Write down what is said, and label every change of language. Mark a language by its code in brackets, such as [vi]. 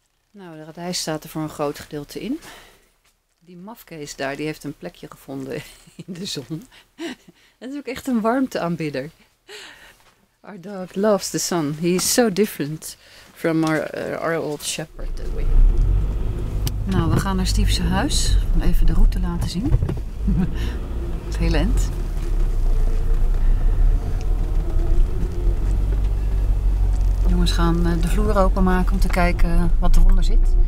[nl] Nou, de radijs staat er voor een groot gedeelte in. Die mafkees daar, die heeft een plekje gevonden in de zon. Dat is ook echt een warmteaanbidder. [en] Our dog loves the sun. He is so different from our old shepherd that we... [nl] Nou, we gaan naar Steve's huis. Even de route laten zien. Het hele end. Jongens gaan de vloer openmaken om te kijken wat eronder zit.